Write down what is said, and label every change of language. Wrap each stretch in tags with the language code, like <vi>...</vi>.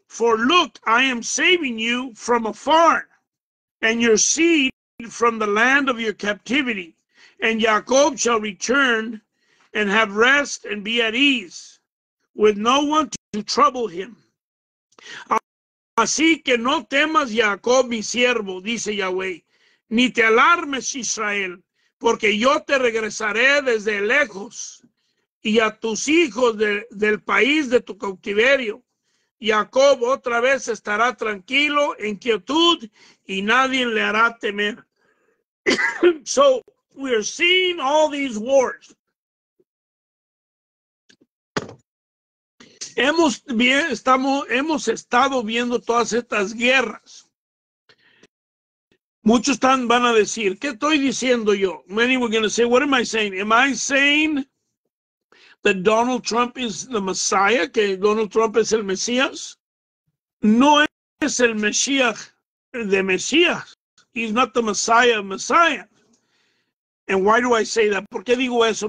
<en>For look, I am saving you from afar, and your seed from the land of your captivity. And Jacob shall return and have rest and be at ease, with no one to trouble him.</en> <es>Así que no temas, Jacob, mi siervo, dice Yahweh, ni te alarmes, Israel, porque yo te regresaré desde lejos y a tus hijos del país de tu cautiverio. Jacob otra vez estará tranquilo, en quietud, y nadie le hará temer.</es> <en>So, we are seeing all these wars.</en> <es>Hemos estado viendo todas estas guerras. Muchos van a decir, ¿qué estoy diciendo yo?</es> <en>Many were going to say, what am I saying? Am I saying that Donald Trump is the Messiah?</en> <es>¿Que Donald Trump es el Mesías? No es el Mesías de Mesías.</es> <en>He's not the Messiah of Messiah. And why do I say that?</en> <es>¿Por qué digo eso?</es>